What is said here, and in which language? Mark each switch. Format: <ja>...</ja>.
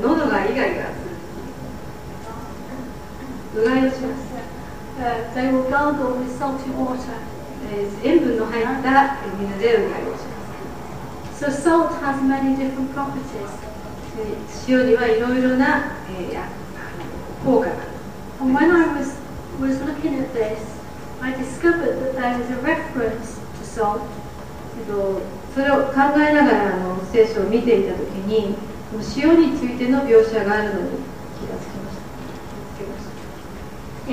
<ja>喉がイガイガする、うがいをします。</ja> <en>They will gargle with salty water.</en> <ja>塩分の入った水でうがいをします。</ja> <en>So salt has many different properties.</en> <ja>塩にはいろいろな、効果があります。</ja> <en>And when I was looking at thisI discovered that there is a reference to salt.</en> <ja>それを考えながら聖書を見ていたときに、塩についての描写があるのに気がつきました。</ja>